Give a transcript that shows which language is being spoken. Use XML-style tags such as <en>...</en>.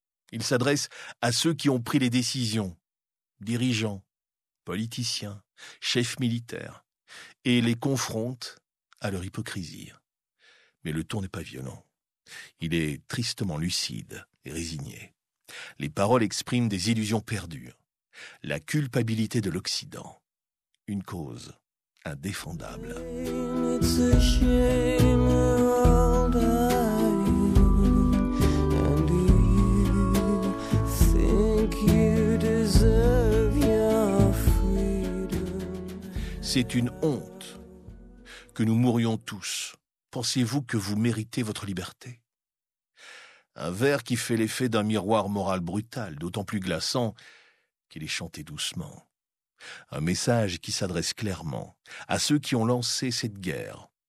<fr>Il s'adresse à ceux qui ont pris les décisions, dirigeants, politiciens, chefs militaires, et les confronte à leur hypocrisie. Mais le ton n'est pas violent. Il est tristement lucide et résigné. Les paroles expriment des illusions perdues, la culpabilité de l'Occident, une cause indéfendable.</fr> <en>It's a shame we're all dying, and do you think you deserve your freedom?</en> <fr>C'est une honte que nous mourions tous. Pensez-vous que vous méritez votre liberté? Un vers qui fait l'effet d'un miroir moral brutal, d'autant plus glaçant qu'il est chanté doucement. Un message qui s'adresse clairement à ceux qui ont lancé cette guerre.</fr>